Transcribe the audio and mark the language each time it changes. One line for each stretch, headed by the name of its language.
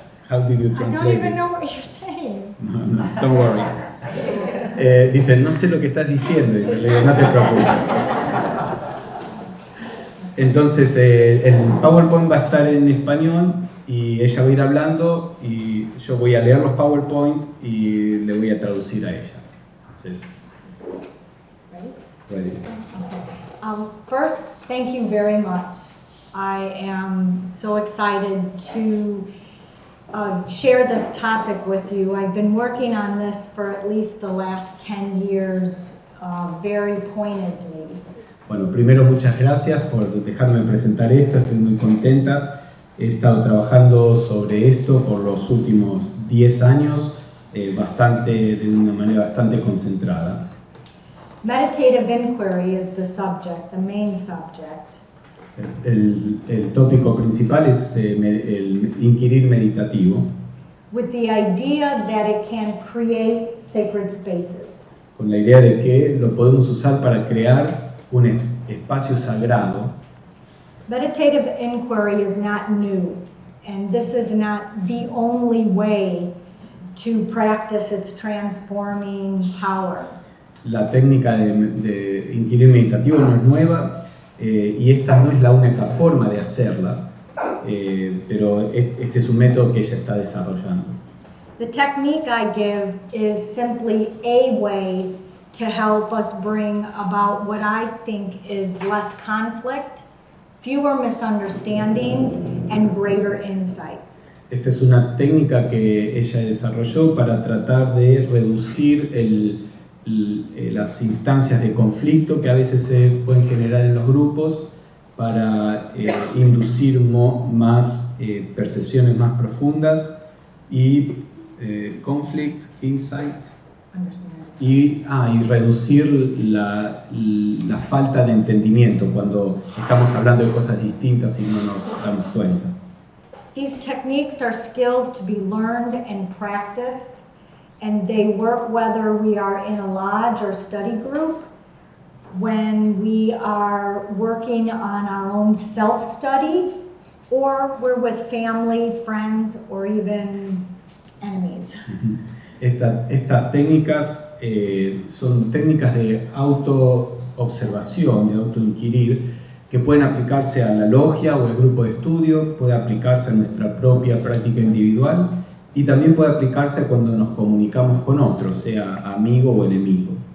English: How did you translate? I don't even know what you're saying. No, don't worry.
Spanish: Dice, no sé lo que estás diciendo. Y le digo, no te preocupes. Entonces, el PowerPoint va a estar en español y ella va a ir hablando y yo voy a leer los PowerPoint y le voy a traducir a ella. Entonces,
English: ready? First, thank you very much. I am so excited to share this topic with you. I've been working on this for at least the last 10 years, very pointedly.
Spanish: Bueno, primero muchas gracias por dejarme presentar esto, estoy muy contenta. He estado trabajando sobre esto por los últimos 10 años, de una manera bastante concentrada.
English: Meditative inquiry is the subject, the main subject.
Spanish: El tópico principal es el inquirir meditativo.
English: With the idea that it can create sacred spaces.
Spanish: Con la idea de que lo podemos usar para crear un espacio sagrado.
English: Meditative inquiry is not new, and this is not the only way to practice its transforming power.
Spanish: La técnica de inquirir meditativo no es nueva, y esta no es la única forma de hacerla, pero este es un método que ella está desarrollando.
English: The technique I give is simply a way to help us bring about what I think is less conflict, fewer misunderstandings, and greater insights.
Spanish: Esta es una técnica que ella desarrolló para tratar de reducir las instancias de conflicto que a veces se pueden generar en los grupos para inducir más percepciones más profundas y
English: conflict, insight.
Spanish: Y reducir la falta de entendimiento cuando estamos hablando de cosas distintas y no nos damos cuenta.
English: These techniques are skills to be learned and practiced, and they work whether we are in a lodge or study group, when we are working on our own self-study, or we're with family, friends, or even enemies.
Spanish: Estas técnicas son técnicas de autoobservación, de autoinquirir, que pueden aplicarse a la logia o el grupo de estudio, puede aplicarse a nuestra propia práctica individual y también puede aplicarse cuando nos comunicamos con otros, sea amigo o enemigo.